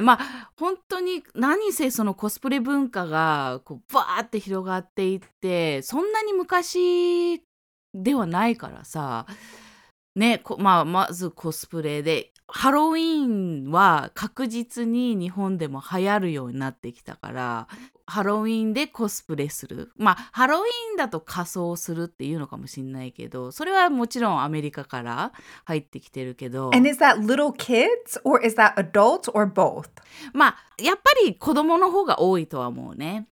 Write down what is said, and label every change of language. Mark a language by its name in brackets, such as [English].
[Japanese] まあ本当に何せそのコスプレ文化がこうバーって広がっていってそんなに昔ではないからさ、ね、まあまずコスプレでハロウィーンは確実に日本でも流行るようになってきたからハロウィーンでコスプレする。まあハロウィーンだと仮装するっていうのかもしれないけど、それはもちろんアメリカから入ってきてるけど。 [English] And is that little kids or is that adults or both? [Japanese] まあやっぱり子供の方が多いとは思うね。